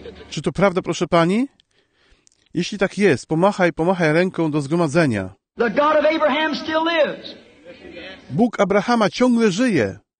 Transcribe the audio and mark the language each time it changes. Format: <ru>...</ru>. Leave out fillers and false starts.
<pl>Czy to prawda, proszę Pani? Jeśli tak jest, pomachaj ręką do zgromadzenia.</pl> <en>The God of Abraham still lives.</en> <pl>Bóg Abrahama ciągle żyje.</pl>